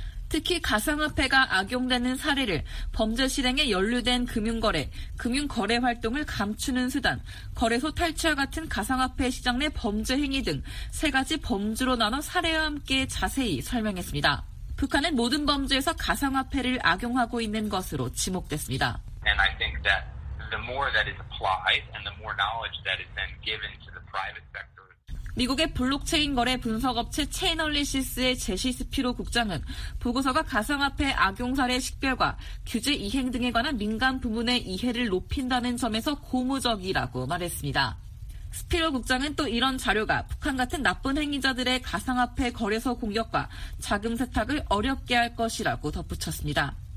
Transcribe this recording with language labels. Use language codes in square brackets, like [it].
[ko] 특히 가상화폐가 악용되는 사례를 범죄 실행에 연루된 금융거래, 금융거래 활동을 감추는 수단, 거래소 탈취와 같은 가상화폐 시장 내 범죄 행위 등 세 가지 범주로 나눠 사례와 함께 자세히 설명했습니다. 북한은 모든 범죄에서 가상화폐를 악용하고 있는 것으로 지목됐습니다. [en] And I think that the more that is applied and the more knowledge that is then given to the private sector. [ko] 미국의 블록체인 거래 분석업체 체인얼리시스의 제시 스피로 국장은 보고서가 가상화폐 악용 사례 식별과 규제 이행 등에 관한 민간 부문의 이해를 높인다는 점에서 고무적이라고 말했습니다. 스피로 국장은 또 이런 자료가 북한 같은 나쁜 행위자들의 가상화폐 거래소 공격과 자금 세탁을 어렵게 할 것이라고 덧붙였습니다.